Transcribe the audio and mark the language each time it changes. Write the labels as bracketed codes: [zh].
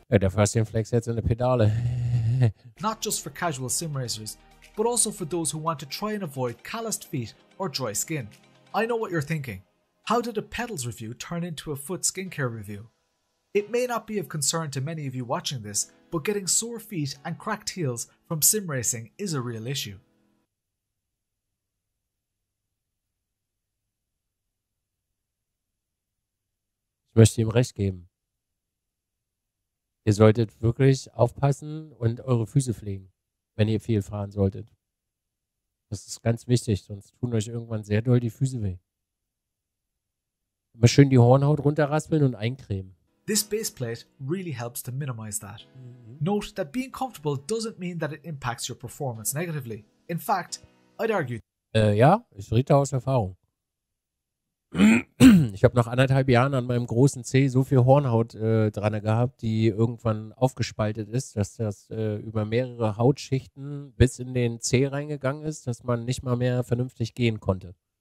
[de] Ja, dafür hast du den Flex jetzt in der Pedale. [en] Not just for casual sim racers, but also for those who want to try and avoid calloused feet or dry skin. I know what you're thinking. How did a pedals review turn into a foot skincare review? It may not be of concern to many of you watching this, but getting sore feet and cracked heels from sim racing is a real issue. [de] Ich möchte ihm recht geben. Ihr solltet wirklich aufpassen und eure Füße pflegen, wenn ihr viel fahren solltet. Das ist ganz wichtig, sonst tun euch irgendwann sehr doll die Füße weh. Immer schön die Hornhaut runterraspeln und eincremen. [en] This base plate really helps to minimize that. Mm-hmm. Note that being comfortable doesn't mean that it impacts your performance negatively. In fact, I'd argue... [de] Ja, ich rede aus Erfahrung. Ich habe nach anderthalb Jahren an meinem großen Zeh so viel Hornhaut dran gehabt, die irgendwann aufgespaltet ist, dass das über mehrere Hautschichten bis in den Zeh reingegangen ist, dass man nicht mal mehr vernünftig gehen konnte.